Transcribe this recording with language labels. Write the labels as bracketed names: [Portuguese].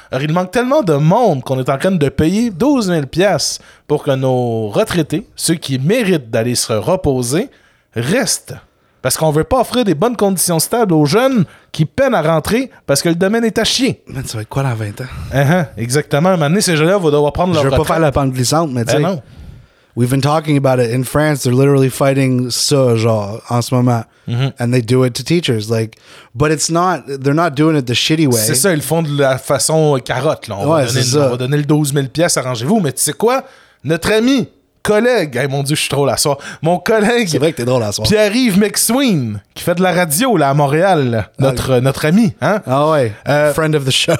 [French] Alors, il manque tellement de monde qu'on est en train de payer 12 000 $ pour que nos retraités, ceux qui méritent d'aller se reposer, restent. Parce qu'on veut pas offrir des bonnes conditions stables aux jeunes qui peinent à rentrer parce que le domaine est à chier. Mais ça va être quoi dans 20 ans? Exactement. À un moment donné, ces jeunes-là vont devoir prendre leur retraite. Je veux pas faire la pente glissante, mais tu sais... Ben [English] we've been talking about it in France. They're literally fighting [French] ça, genre, en ce moment. Mm-hmm. [English] And they do it to teachers. Like, but it's not, they're not doing it the shitty way. [French] C'est ça, ils font de la façon carotte. Là. On va donner le 12 000 $, arrangez-vous. Mais tu sais quoi? Notre ami collègue, hey, mon Dieu, je suis drôle à soir. Mon collègue. C'est vrai que t'es drôle à soir. Pierre-Yves McSween, qui fait de la radio là à Montréal, notre ami, hein. Ah ouais. [English] Friend of the show.